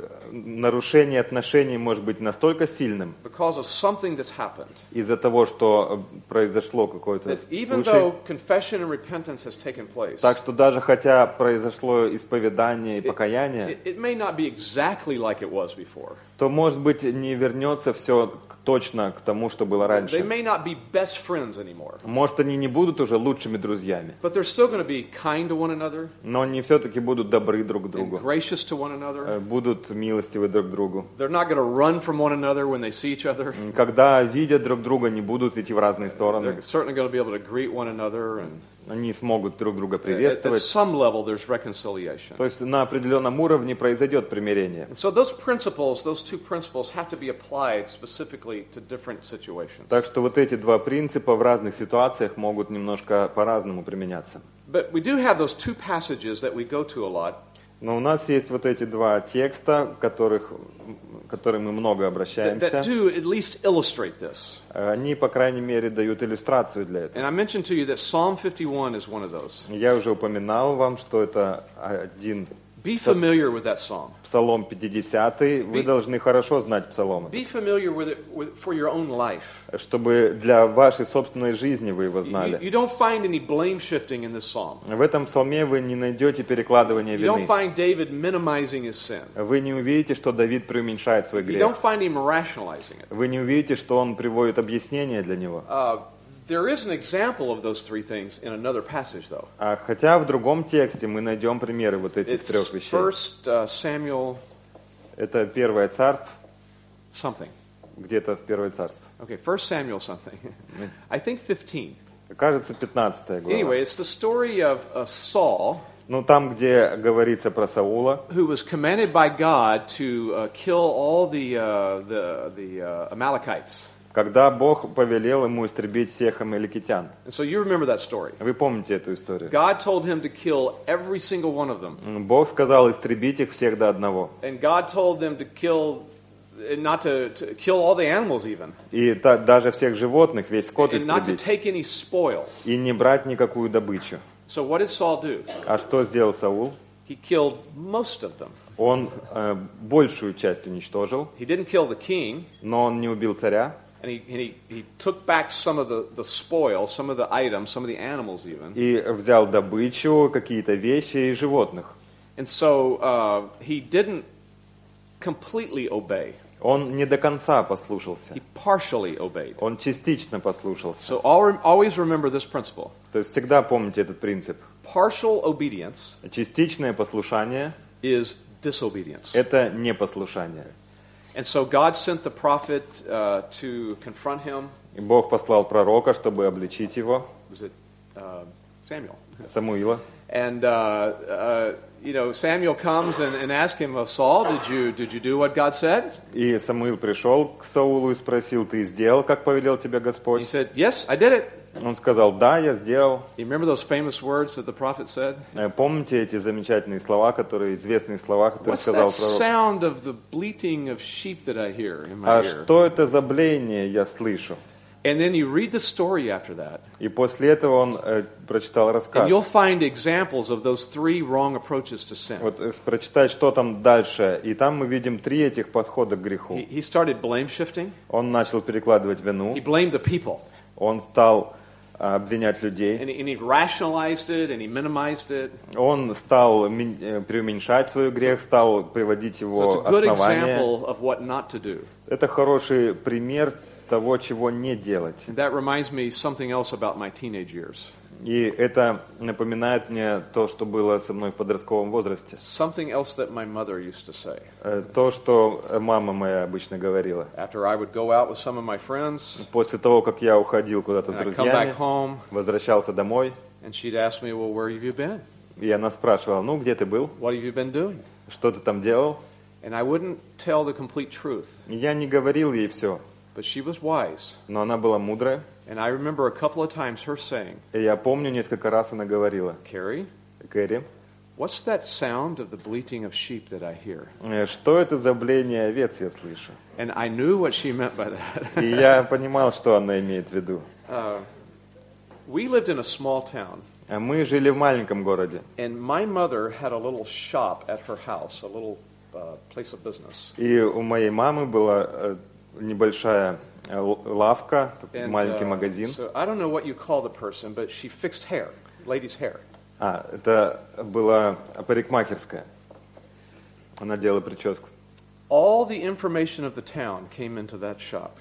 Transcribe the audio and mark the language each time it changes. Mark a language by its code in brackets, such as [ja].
[ru] Нарушение отношений может быть настолько сильным. [en] Because of something that's happened. [ru] Из-за того, что произошло какое-то случай. [en] Even though confession and repentance has taken place. [ru] Так что даже хотя произошло исповедание и покаяние. [en] It may not be exactly like it was before. [ru] То может быть не вернется все точно к тому, что было раньше. [en] They may not be best friends anymore. [ru] Может, они не будут уже лучшими друзьями. [en] But they're still going to be kind to one another. [ru] Но они все-таки будут добры друг к другу. [en] And gracious to one another. [ru] Будут милостивы друг к другу. [en] They're not going to run from one another when they see each other. [ru] Когда видят друг друга, не будут идти в разные стороны. [en] They're certainly going to be able to greet one another and. [ru] Они смогут друг друга приветствовать. [en] At some level there's reconciliation. [ru] То есть на определенном уровне произойдет примирение. [en] And so those principles, those two principles have to be applied specifically to different situations. [ru] Так что вот эти два принципа в разных ситуациях могут немножко по-разному применяться. [en] But we do have those two passages that we go to a lot. [ru] Но у нас есть вот эти два текста, которым мы много обращаемся. [en] That do at least illustrate this. [ru] Они, по крайней мере, дают иллюстрацию для этого. [en] And I mentioned to you that Psalm 51 is one of those. [ru] Я уже упоминал вам, что это один. [en] Be familiar with that psalm. [ru] Псалом 50. Вы должны хорошо знать псалом. [en] Be familiar with it for your own life. [ru] Чтобы для вашей собственной жизни вы его знали. [en] You don't find any blame shifting in this psalm. [ru] В этом псалме вы не найдете перекладывания вины. [en] You don't find David minimizing his sin. [ru] Вы не увидите, что Давид преуменьшает свой грех. [en] You don't find him rationalizing it. [ru] Вы не увидите, что он приводит объяснение для него. [en] There is an example of those three things in another passage, though. [ru] А хотя в другом тексте мы найдем примеры вот этих трех вещей. [en] It's First Samuel. [ru] Это первое царство. [en] Something. [ru] Где-то в первое царство. [en] Okay, First Samuel something. I think 15. [ru] Кажется, 15 глава. [en] Anyway, it's the story of Saul. [ru] Ну там, где говорится про Саула. [en] Who was commanded by God to kill all the Amalekites. [ru] Когда Бог повелел ему истребить всех амаликитян. [en] So you remember that story. [ru] Вы помните эту историю. [en] God told him to kill every single one of them. [ru] Бог сказал истребить их всех до одного. [en] And God told them to kill, not to kill all the animals even. [ru] И даже всех животных, весь скот истребить. [en] And not to take any spoil. [ru] И не брать никакую добычу. [en] So what did Saul do? [ru] А что сделал Саул? [en] He killed most of them. [ru] Он большую часть уничтожил. [en] He didn't kill the king. [ru] Но он не убил царя. [en] And he took back some of the spoil, some of the items, some of the animals even. [ru] И взял добычу, какие-то вещи и животных. [en] And so he didn't completely obey. [ru] Он не до конца послушался. [en] He partially obeyed. [ru] Он частично послушался. [en] So always remember this principle. [ru] То есть всегда помните этот принцип. [en] Partial obedience. [ru] Частичное послушание. [en] Is disobedience. [ru] Это непослушание. [en] And so God sent the prophet to confront him. [ru] И Бог послал пророка, чтобы обличить его. [en] Was it Samuel? [ru] Самуила. [en] And you know, Samuel comes and asks him, Saul, did you do what God said? [ru] И Самуил пришел к Саулу и спросил, ты сделал, как повелел тебе Господь? [en] He said, yes, I did it. [ru] Он сказал, да, я сделал. [en] You remember those famous words that the prophet said? [ru] Помните эти замечательные слова, которые, известные слова, которые [en] What's [ru] сказал [en] that [ru] пророк? [en] Sound of the bleating of sheep that I hear in my ear? [ru] А что это за бление я слышу? [en] And then you read the story after that. [ru] И после этого он прочитал рассказ. [en] And you'll find examples of those three wrong approaches to sin. [ru] Вот прочитай, что там дальше. И там мы видим три этих подхода к греху. [en] He started blame shifting. [ru] Он начал перекладывать вину. [en] He blamed the people. [ru] Он стал обвинять людей. [en] And he rationalized it, and he minimized it. [ru] Он стал преуменьшать свой грех, стал приводить его основания. Это хороший пример того, чего не делать. [en] That reminds me something else about my teenage years. [ru] И это напоминает мне то, что было со мной в подростковом возрасте. [en] Something else that my mother used to say. [ru] То, что мама моя обычно говорила. [en] After I would go out with some of my friends. [ru] После того, как я уходил куда-то с друзьями, [en] come back home, [ru] возвращался домой, [en] and she'd ask me, "Well, where have you been?" [ru] И она спрашивала, ну, где ты был? [en] What have you been doing? [ru] Что ты там делал? [en] And I wouldn't tell the complete truth. [ru] Я не говорил ей все. [en] But she was wise. [ru] Но она была мудрая. [en] And I remember a couple of times her saying. [ru] И я помню несколько раз она говорила. [en] Кэрри, what's that sound of the bleating of sheep that I hear? [ru] Что это за бление овец я слышу? [en] And I knew what she meant by that. [ru] И я понимал, что она имеет в виду. [en] We lived in a small town. [ru] А мы жили в маленьком городе. [en] And my mother had a little shop at her house, a little place of business. [ru] И у моей мамы была небольшая лавка, маленький магазин. [en] So I don't know what you call the person, but she fixed hair, ladies' hair. [ru] А, это была парикмахерская. Она делала прическу. [en] All the information of the town came into that shop.